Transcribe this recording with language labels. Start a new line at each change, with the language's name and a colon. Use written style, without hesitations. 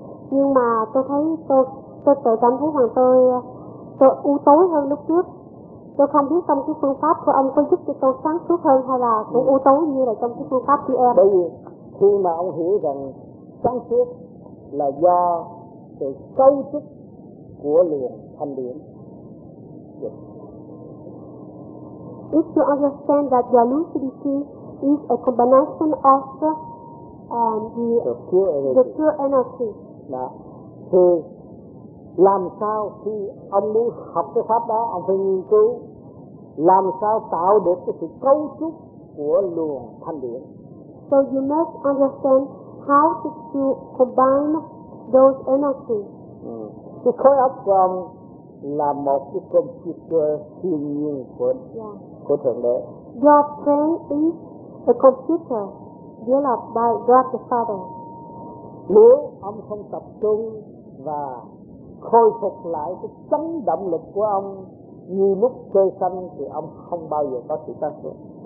Vietnamese: Nhưng mà tôi thấy tôi cảm thấy rằng tôi u tối hơn lúc trước. Tôi không biết trong cái phương pháp của ông có giúp cho tôi sáng suốt hơn hay là cũng ưu tố như là trong cái phương pháp của em. Bởi vì khi mà ông hiểu rằng sáng suốt là do sự cấu trúc của luồng thanh điển.
English: If you understand that the lucidity is a combination of the pure energy.
Vietnamese: Đó. Thì làm sao khi ông muốn học cái pháp đó, ông phải nghiên cứu làm sao tạo được cái sự cấu trúc của luồng thanh điển.
English: So you must understand how to combine those energies.
Vietnamese: Cái khối óc của ông là một cái computer thiên nhiên của Thượng Đế.
English: Your brain is a computer developed by God the Father.
Vietnamese: Nếu ông không tập trung và khôi phục lại cái chấn động lực của ông như lúc chơi xanh thì ông không bao giờ có sự tác dụng.